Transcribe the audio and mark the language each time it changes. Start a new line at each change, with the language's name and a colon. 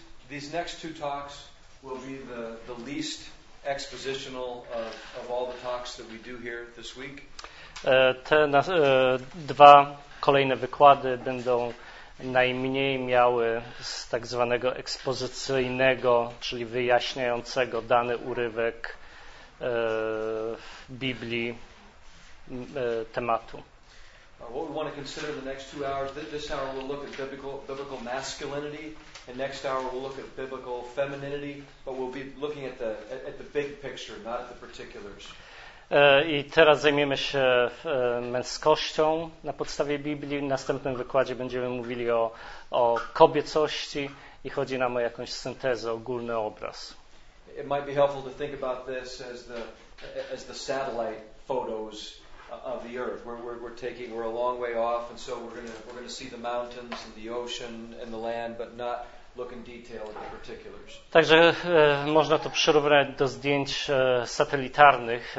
English: These next two talks will be the least expositional of all the talks that we do here this week.
Polish: Te dwa kolejne wykłady będą najmniej miały z tak zwanego ekspozycyjnego, czyli wyjaśniającego dany urywek w Biblii tematu.
English: What we want to consider the next two hours, this hour we'll look at biblical masculinity, and next hour we'll look at biblical femininity, but we'll be looking at the big picture, not at the particulars.
Polish: I teraz zajmiemy się męskością na podstawie Biblii. W następnym wykładzie będziemy mówili o kobiecości i chodzi nam o jakąś syntezę, ogólny obraz.
English: It might be helpful to think about this as the satellite photos of the earth. We're a long way off, and so we're going to see the mountains and the ocean and the land, but not look in detail at the particulars.
Polish: Także można to przyrównać do zdjęć satelitarnych.